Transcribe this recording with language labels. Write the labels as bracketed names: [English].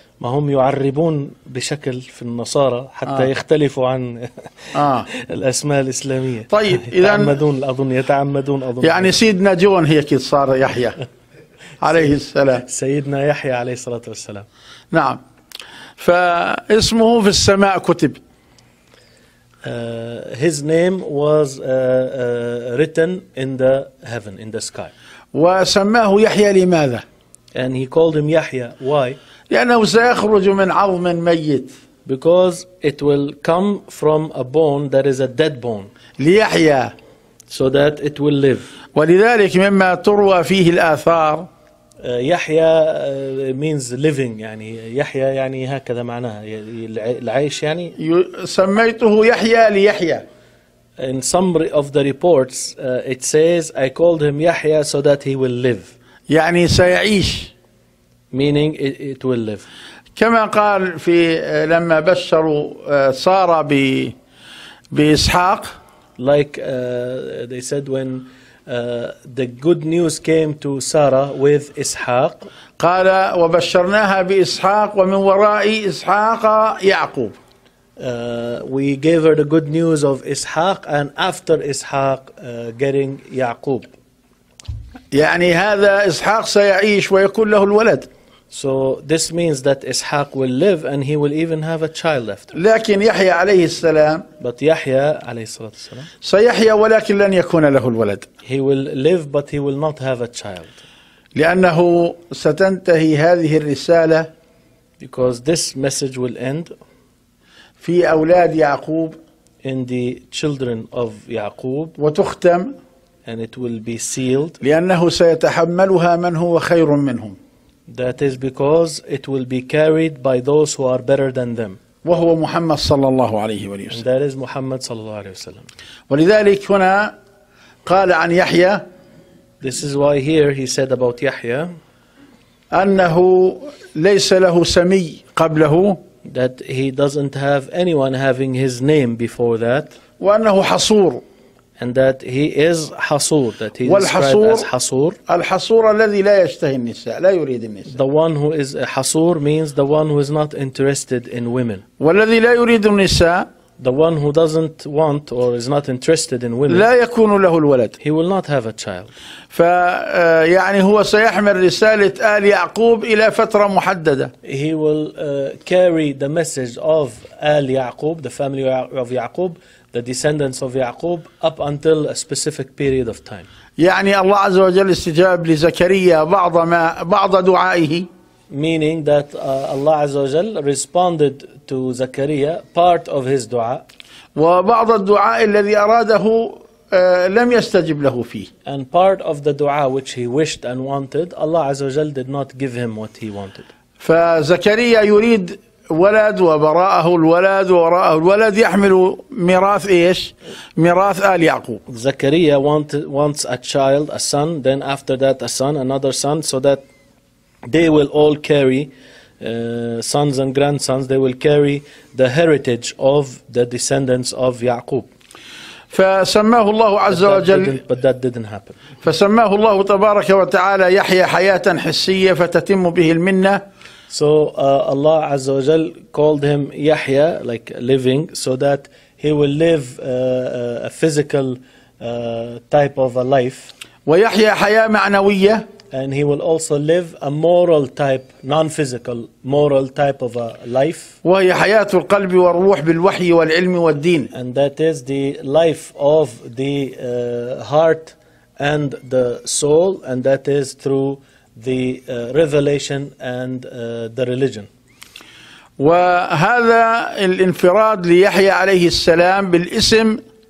[Arabic] ما هم يعربون بشكل في النصارى حتى يختلفوا عن الأسماء الإسلامية. طيب يتعمدون أظن يتعمدون أظن يعني سيدنا جون هيك صار يحيى عليه السلام. سيدنا يحيى عليه الصلاة والسلام. نعم. فاسمه في السماء كتب. [English] His name was written in the heaven, in the sky. [Arabic] وسماه يحيى لماذا؟ [English] And he called him يحيى. Why? [Arabic] لأنه سيخرج من عظم ميت. [English] Because it will come from a bone that is a dead bone. [Arabic] ليحيى. [English] So that it will live. [Arabic] ولذلك مما تروى فيه الآثار. يحيى [English] means living [Arabic] يعني يحيى يعني هكذا معناها العيش يعني سميته يحيى ليحيى. [English] In summary of the reports it says I called him Yahya so that he will live. [Arabic] يعني سيعيش. [English] Meaning it will live. [Arabic] كما قال في لما بشروا سارة بإسحاق. [English] Like they said when the good news came to Sarah with Ishaq. [Arabic] قال وبشرناها بإسحاق ومن وراء إسحاق يعقوب. [English] we gave her the good news of Ishaq, and after Ishaq getting Yaqub. [Arabic] يعني هذا إسحاق سيعيش ويكون له الولد. [English] So this means that Ishaq will live and he will even have a child after. [Arabic] لكن يحيى عليه السلام. [English] But Yahya [Arabic] عليه الصلاة والسلام. سيحيى ولكن لن يكون له الولد. [English] He will live but he will not have a child. [Arabic] لأنه ستنتهي هذه الرسالة. [English] Because this message will end. [Arabic] في أولاد يعقوب. [English] In the children of Yaqub. [Arabic] وتختم. [English] And it will be sealed. [Arabic] لأنه سيتحملها من هو خير منهم. [English] That is because it will be carried by those who are better than them. [Arabic] وهو محمد صلى الله عليه وسلم. [English] And that is Muhammad [Arabic] صلى الله عليه وسلم. ولذلك هنا قال عن يحيى. [English] This is why here he said about Yahya. [Arabic] أنه ليس له سمي قبله. [English] That he doesn't have anyone having his name before that. [Arabic] وأنه حصور. [English] And that he is حصور. That he is described as حصور. [Arabic] الحصور الذي لا يشتهي النساء لا يريد النساء. [English] The one who is حصور means the one who is not interested in women. [Arabic] والذي لا يريد النساء. [English] The one who doesn't want or is not interested in women. [Arabic] لا يكون له الولد. [English] He will not have a child. [Arabic] ف يعني هو سيحمل رسالة آل يعقوب إلى فترة محددة. [English] He will carry the message of آل Yaqub, the family of Yaqub, the descendants of Yaqub, up until a specific period of time. [Arabic] يعني الله عز وجل استجاب لزكريا بعض ما بعض دعائه. [English] Meaning that Allah [Arabic] عز وجل [English] responded to Zakariya part of his دعاء. [Arabic] وبعض الدعاء الذي أراده لم يستجب له فيه. [English] And part of the دعاء which he wished and wanted, Allah [Arabic] عز وجل [English] did not give him what he wanted. [Arabic] فزكريا يريد ولد وبراءه الولد وراءه الولد يحمل ميراث إيش ميراث آل يعقوب. [English] Zakariya wants a child, a son, then after that a son, another son, so that they will all carry sons and grandsons, they will carry the heritage of the descendants of Yaqub. [Arabic] فسماه الله عز وجل. [English] But that didn't happen. [Arabic] فسماه الله تبارك وتعالى يحيى حياة حسية فتتم به المنة. [English] So Allah [Arabic] عز وجل [English] called him Yahya, like living, so that he will live a physical type of a life. [Arabic] ويحيى حياة معنوية. [English] And he will also live a moral type, non-physical, moral type of a life. [Arabic] وهي حياة القلب والروح بالوحي والعلم والدين. [English] And that is the life of the heart and the soul, and that is through the revelation and the religion. [Arabic] وهذا الانفراد ليحيى عليه السلام بالاسم.